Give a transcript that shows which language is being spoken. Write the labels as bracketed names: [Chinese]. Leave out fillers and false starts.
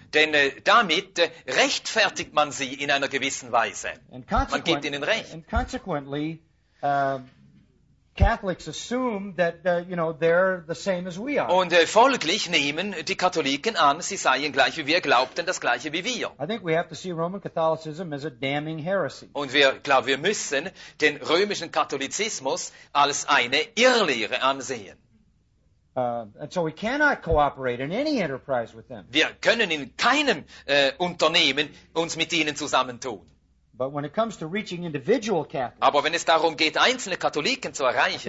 [German] Denn damit rechtfertigt man sie in einer gewissen Weise. Man gibt ihnen Recht. [English] And consequently, Catholics assume that you know they're the same as we are. [German] Und folglich nehmen die Katholiken an, sie seien gleich wie wir, glaubten das gleiche wie wir. [English] I think we have to see Roman Catholicism as a damning heresy. [German] Und wir glauben, wir müssen den römischen Katholizismus als eine Irrlehre ansehen. [English] And so we cannot cooperate in any enterprise with them. [German] Wir können in keinem Unternehmen uns mit ihnen zusammentun. [English] But when it comes to reaching individual Catholics, [German] aber wenn es darum geht, einzelne Katholiken zu erreichen,